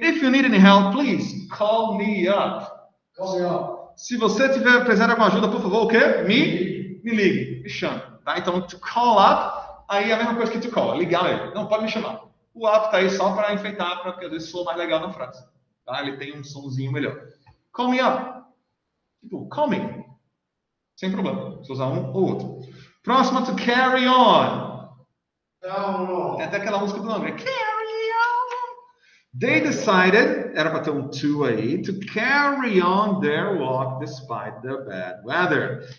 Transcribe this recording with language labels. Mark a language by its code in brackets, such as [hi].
[en] If you need any help, please call me up. Call me up. [pt] Se você tiver precisando de alguma ajuda, por favor, o quê? Me ligue. Me chame. Tá? Então, to call up, aí é a mesma coisa que to call. Ligar ele. Não, pode me chamar. O up tá aí só para enfeitar, porque às vezes soa mais legal na frase. Tá? Ele tem um somzinho melhor. [en] Call me up. [pt] Tipo, [en] call me. [pt] Sem problema. Se usar um ou outro. Próximo, to carry on. Não. É até aquela música do nome, carry on. [en] They decided, [pt] era para ter um to aí, [en] to carry on their walk despite the bad weather.